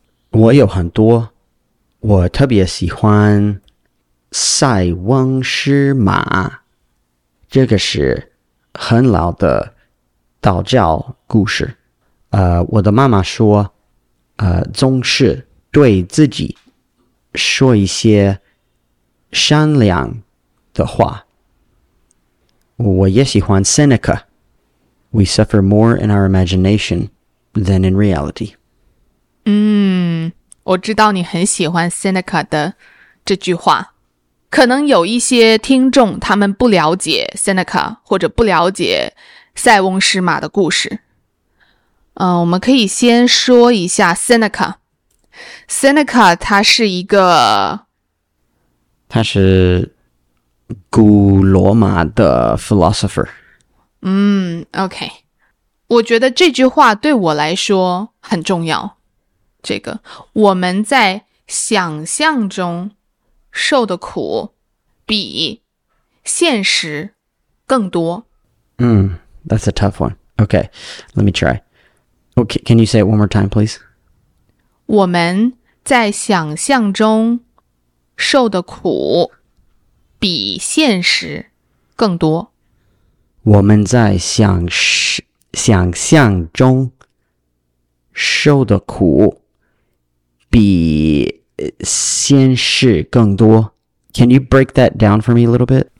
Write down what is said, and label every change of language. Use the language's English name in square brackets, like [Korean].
[Chinese] 我有很多，我特别喜欢塞翁失马，这个是很老的道教故事。我的妈妈说，总是对自己说一些善良的话。我也喜欢 [English] Seneca, we suffer more in our imagination than in reality. [Chinese] 我知道你很喜欢 Seneca 的这句话。可能有一些听众他们不了解 Seneca 或者不了解塞翁失马的故事。我们可以先说一下 Seneca。Seneca 他是一个，他是古罗马的 philosopher。 [English] OK。 [Chinese] 我觉得这句话对我来说很重要。这个我们在想象中受的苦比现实更多。 [English] That's a tough one. Okay, let me try. Okay, can you say it one more time, please? [Chinese] 我们在想象中受的苦比现实更多。我们在想象中受的苦比现实更多。 [English] Can you break that down for me a little bit?